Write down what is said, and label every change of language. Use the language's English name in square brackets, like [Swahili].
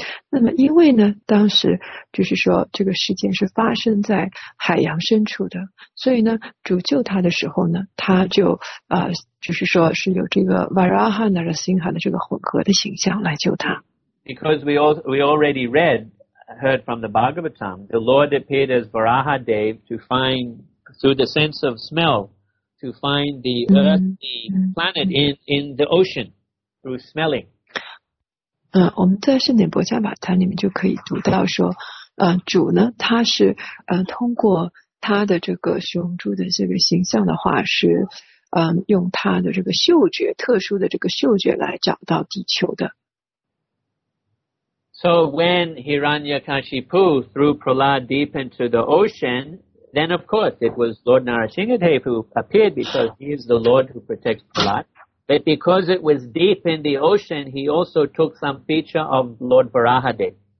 [Chinese] 那么因为呢，当时就是说这个事件是发生在海洋深处的，所以呢，主救他的时候呢，他就就是说是有这个 Varaha Narasimha 的这个混合的形象来救他。 [English] Because we already read,heard from the Bhagavatam, the Lord appeared as Varaha Dev to find, through the sense of smell, to find the earthy planet in the ocean through smelling. [Chinese] 我们在圣典薄伽瓦坛里面就可以读到说，主呢，他是通过他的这个雄猪的这个形象的话，是用他的这个嗅觉，特殊的这个嗅觉来找到地球的。 [English] So when Hiranyakashipu threw Prahlad deep into the ocean, then of course it was Lord Narasimhadev who appeared because he is the Lord who protects Prahlad. But because it was deep in the ocean, he also took some feature of Lord Varahadev.